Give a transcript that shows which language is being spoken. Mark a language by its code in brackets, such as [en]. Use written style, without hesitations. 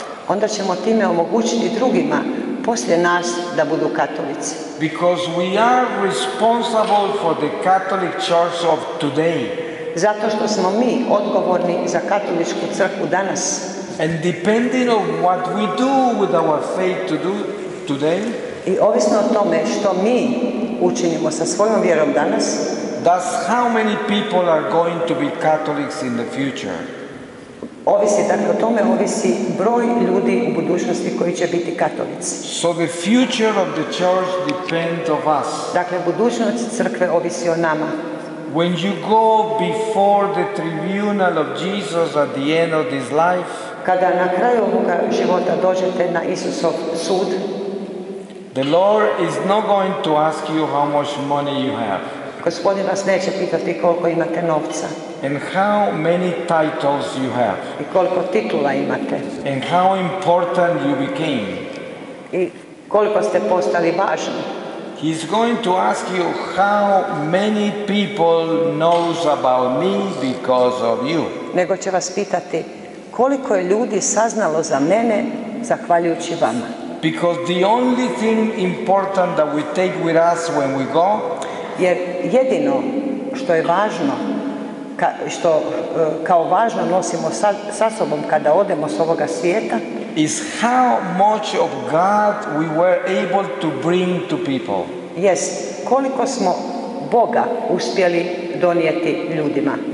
[hr] Onda ćemo time omogućiti drugima poslije nas da budu katolici. [en] Because we are responsible for the Catholic Church of today. [hr] Zato što smo mi odgovorni za katoličku crkvu danas. [en] And depending on what we do with our faith to do today, [hr] i ovisno o tome što mi učinimo sa svojom vjerom danas, [en] that's how many people are going to be Catholics in the future. [hr] Ovisi, dakle, o tome ovisi broj ljudi u budućnosti koji će biti katolici. [en] So the future of the church depends on us. [hr] Dakle, budućnost crkve ovisi o nama. [en] When you go before the tribunal of Jesus at the end of this life, [hr] kada na kraju ovoga života dođete na Isusov sud, [en] the Lord is not going to ask you how much money you have. [hr] Gospodin vas neće pitati koliko imate novca. [en] And how many titles you have. [hr] I koliko titula imate. [en] And how important you became. [hr] I koliko ste postali važni. [en] He's going to ask you how many people knows about me because of you. [hr] Nego će vas pitati koliko je ljudi saznalo za mene zahvaljujući vama. [en] Because the only thing important that we take with us when we go, [hr] jer jedino što je važno, što kao važno nosimo sa sobom kada odemo s ovoga svijeta, [en] is how much of God we were able to bring to people. Yes, [hr] koliko smo Boga uspjeli donijeti ljudima.